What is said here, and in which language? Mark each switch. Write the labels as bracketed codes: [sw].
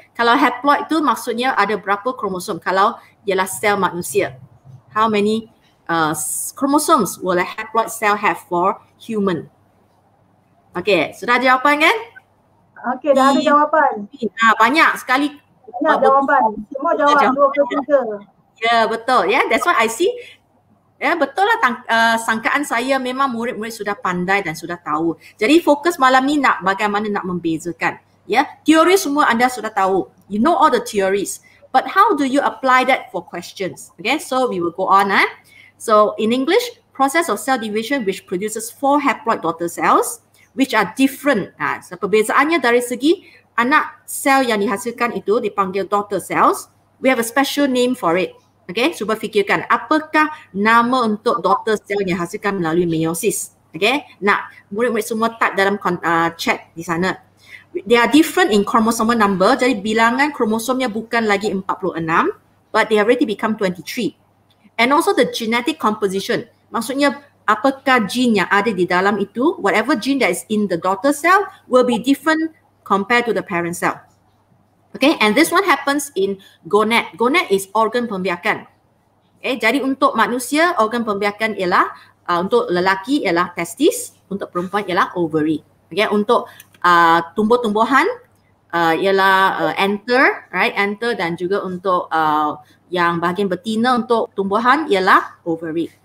[ms] Kalau haploid tu maksudnya ada berapa kromosom kalau ialah sel manusia. [en] How many chromosomes will a haploid cell have for human? [ms] Okay, sudah jawapan kan? Okay, dah ada jawapan. Banyak sekali. Banyak jawapan. Semua jawab 23. Ya, betul. [en] Yeah, that's what I see. [ms] Ya, yeah, betul lah sangkaan saya memang murid-murid sudah pandai dan sudah tahu. Jadi fokus malam ni nak bagaimana nak membezakan. Ya, yeah, teori semua anda sudah tahu. [en] You know all the theories. But how do you apply that for questions? Okay, so we will go on. Eh? So in English, process of cell division which produces four haploid daughter cells which are different. [ms] So perbezaannya dari segi anak sel yang dihasilkan itu dipanggil daughter cells. [en] We have a special name for it. [ms] Okay, cuba fikirkan apakah nama untuk daughter cell yang dihasilkan melalui meiosis. Okay, nah murid-murid semua type dalam chat di sana. [en] They are different in chromosomal number. [ms] Jadi bilangan kromosomnya bukan lagi 46, [en] but they already become 23. And also the genetic composition. [ms] Maksudnya apakah gene yang ada di dalam itu, [en] whatever gene that is in the daughter cell will be different compared to the parent cell. Okay, and this one happens in gonad. Gonad is organ pembiakan. [ms] Okay, jadi untuk manusia, organ pembiakan ialah untuk lelaki ialah testis, untuk perempuan ialah ovary. Okay, untuk tumbuh-tumbuhan ialah anther, right? Anther, dan juga untuk yang bahagian betina untuk tumbuhan ialah ovary.